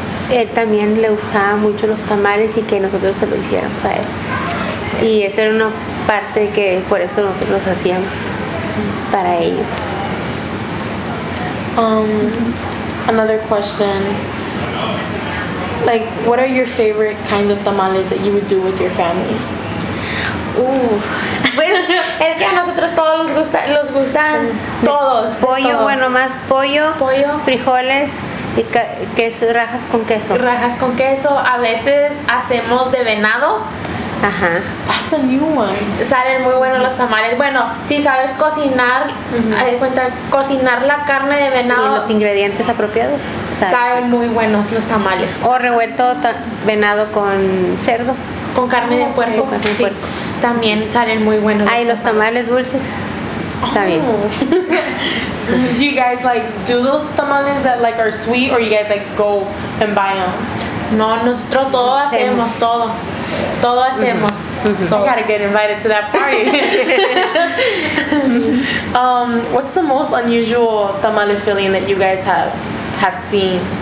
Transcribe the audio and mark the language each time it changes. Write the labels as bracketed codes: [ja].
[es] Él también le gustaba mucho los tamales y que nosotros se lo hiciéramos a él. Y esa era una parte que por eso nosotros los hacíamos para ellos. [en] Another question, like, what are your favorite kinds of tamales that you would do with your family? [es] Ooh, pues, es que a nosotros todos los gustan, todos. Pollo, todo. Bueno, más pollo, frijoles, y queso, rajas con queso. Rajas con queso, a veces hacemos de venado. Ajá. [en] That's a new one. [es] Salen muy buenos los tamales. Bueno, si sabes cocinar, uh-huh. Cocinar la carne de venado. Y los ingredientes apropiados. Saben muy buenos los tamales. O revuelto venado con cerdo. Con carne de puerco. Okay. Carne de puerco. Sí. También salen muy buenos los tamales. Ay, los tamales dulces. También. Oh. [en] Do you guys like do those tamales that like are sweet or you guys like go and buy them? [es] No, nosotros todo hacemos todo. Todo hacemos. Mm-hmm. [en] Gotta get invited to that party. What's the most unusual tamale filling that you guys have seen?